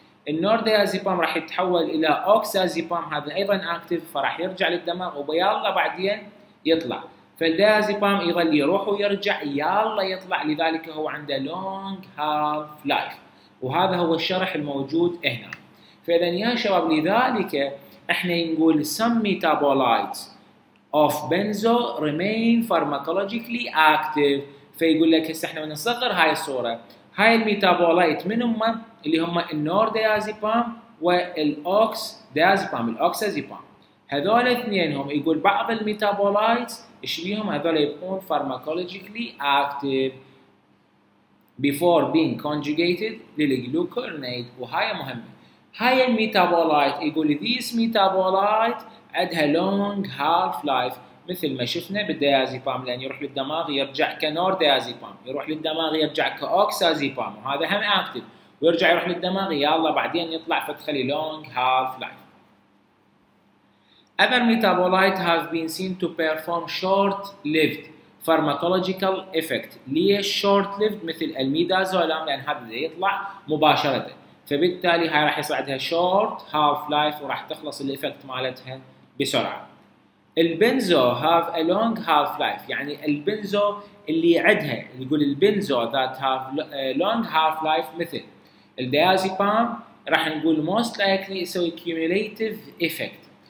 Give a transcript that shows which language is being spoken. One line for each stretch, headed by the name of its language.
Arabic: النورديازيبام راح يتحول إلى أوكسازيبام، هذا أيضا أكتيف فراح يرجع للدماغ وبيلا بعدين يطلع. فالديازيبام يظل يروح ويرجع يلا يطلع، لذلك هو عنده long half life، وهذا هو الشرح الموجود هنا. فإذا يا شباب لذلك احنا نقول
English: some metabolites of benzo remain pharmacologically active.
Arabic: فيقول لك هسه احنا بنصغر هاي الصورة، هاي الميتابولايت من هم اللي هم النورديازيبام والاوكس ديازيبام، الاوكسازيبام هذول اثنين هم، يقول بعض الميتابولايتس ايش بيهم؟ هذول يكون
English: pharmacologically active before being conjugated
Arabic: للجلوكورنيد، وهاي مهمة. هاي الميتابولايت يقول
English: these metabolite
Arabic: عندها long half life مثل ما شفنا بالديازيبام، لان يروح للدماغ يرجع كنور ديازيبام، يروح للدماغ يرجع كأوكسازيبام، وهذا هم active ويرجع يروح للدماغ يلا بعدين يطلع، فتخلي long half life.
English: Other metabolites have been seen to perform short-lived pharmacological effect.
Arabic: ليش short-lived؟ مثل الميدازولام، لأن هذا اللي يطلع مباشرة، فبالتالي هاي راح يصير عندها short half-life وراح تخلص الإفكت مالتها بسرعة. البنزو
English: have a long half-life،
Arabic: يعني البنزو اللي عندها، نقول البنزو
English: that have long half-life
Arabic: مثل الديازيبام، راح نقول
English: most likely
Arabic: يسوي
English: cumulative effect.